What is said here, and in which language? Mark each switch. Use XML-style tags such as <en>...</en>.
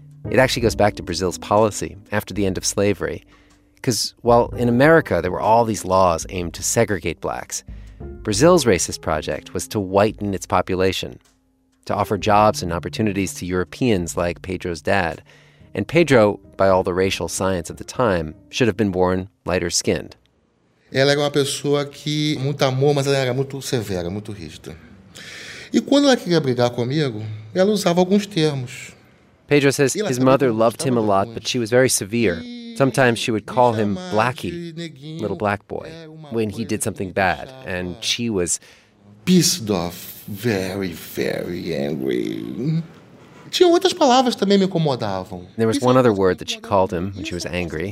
<en>It actually goes back to Brazil's policy after the end of slavery. Because while in America there were all these laws aimed to segregate blacks, Brazil's racist project was to whiten its population, to offer jobs and opportunities to Europeans like Pedro's dad. And Pedro, by all the racial science of the time, should have been born lighter skinned.</en> <pt>Ela era uma pessoa que muito amor, mas ela era muito severa, muito rígida. E quando ela queria brigar comigo, ela usava alguns termos.</pt> <en>Pedro says his mother loved him a lot, but she was very severe. Sometimes she would call him Blackie, little black boy, when he did something bad, and she was pissed off, very, very angry.</en> <pt>Tinha outras palavras também me incomodavam.</pt> <en>There was one other word that she called him when she was angry.</en>